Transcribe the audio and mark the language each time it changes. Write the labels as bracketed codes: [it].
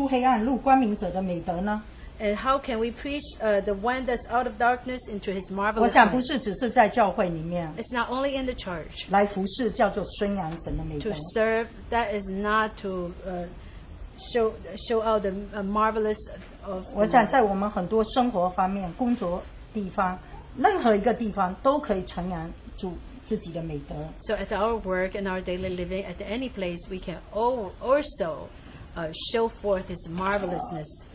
[zh] 那我们怎么宣扬出黑暗入光明者的美德呢？ [en] And how can we preach the one that's out of darkness into his marvelous [zh] 我想不是只是在教会里面, [en] It's not only in the church. [zh] 来服侍, 叫做宣扬神的美德。 [en] To serve, that is not to show out the marvelous of the [zh] 我想在我们很多生活方面, 工作地方, 任何一个地方都可以传扬主自己的美德。 [en] So at our work and our daily living, at any place, we can also show forth his marvelousness.